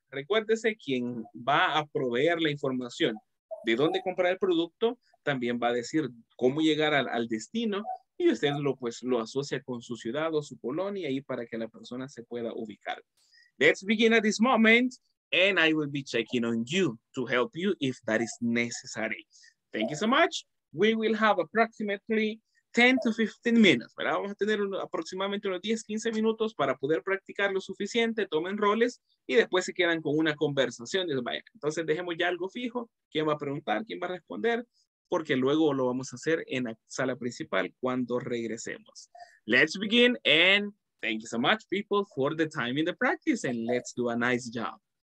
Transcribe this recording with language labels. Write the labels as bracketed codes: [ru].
[es] Recuérdese, quien va a proveer la información de dónde comprar el producto, también va a decir cómo llegar al destino. Y usted lo asocia con su ciudad o su colonia ahí para que la persona se pueda ubicar. [en] Let's begin at this moment. And I will be checking on you to help you if that is necessary. Thank you so much. We will have approximately 10 to 15 minutes. [es] ¿Verdad? Vamos a tener aproximadamente unos 10, 15 minutos para poder practicar lo suficiente, tomen roles y después se quedan con una conversación. Entonces dejemos ya algo fijo. ¿Quién va a preguntar? ¿Quién va a responder? Porque luego lo vamos a hacer en la sala principal cuando regresemos. [en] Let's begin and thank you so much, people, for the time in the practice and let's do a nice job.